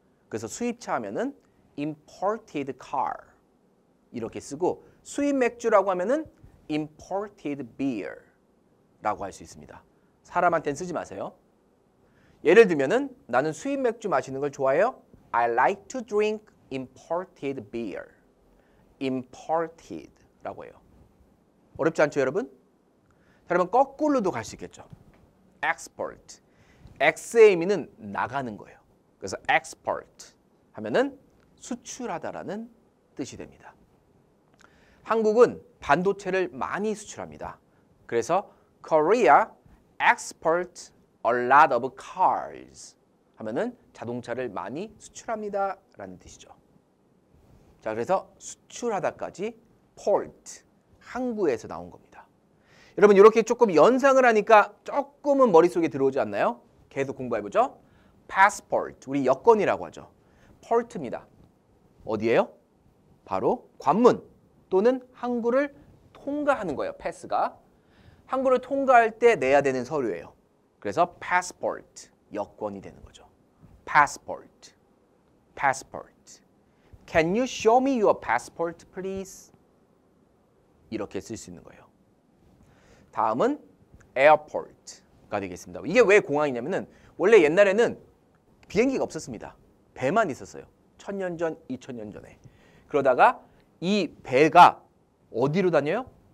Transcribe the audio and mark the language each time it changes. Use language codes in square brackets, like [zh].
[ko] 그래서 수입차 하면은 [en] imported car [ko] 이렇게 쓰고 수입 맥주라고 하면은 [en] imported beer [ko] 라고 할 수 있습니다. 사람한테는 쓰지 마세요. 예를 들면은 나는 수입 맥주 마시는 걸 좋아해요. [en] I like to drink imported beer. [ko] imported라고 해요. 어렵지 않죠, 여러분? 그러면 거꾸로도 갈 수 있겠죠. [en] export. [ko] x의 의미는 나가는 거예요. 그래서 export 하면은 수출하다라는 뜻이 됩니다. 한국은 반도체를 많이 수출합니다. 그래서 [en] Korea exports a lot of cars [ko] 하면은 자동차를 많이 수출합니다 라는 뜻이죠. 자, 그래서 수출하다까지 port 항구에서 나온 겁니다. 여러분 이렇게 조금 연상을 하니까 조금은 머릿속에 들어오지 않나요? 계속 공부해보죠. passport 우리 여권이라고 하죠. port입니다. 어디예요? 바로 관문 또는 항구를 통과하는 거예요. 패스가 항구를 통과할 때 내야 되는 서류예요. 그래서 passport 여권이 되는 거죠. [en] passport passport. Can you show me your passport please? [ko] 이렇게 쓸 수 있는 거예요. 다음은 에어포트가 되겠습니다. 이게 왜 공항이냐면은 원래 옛날에는 비행기가 없었습니다. 배만 있었어요. 1000년 전, 2000년 전에. 그러다가 이 배가 어디로 다녀요?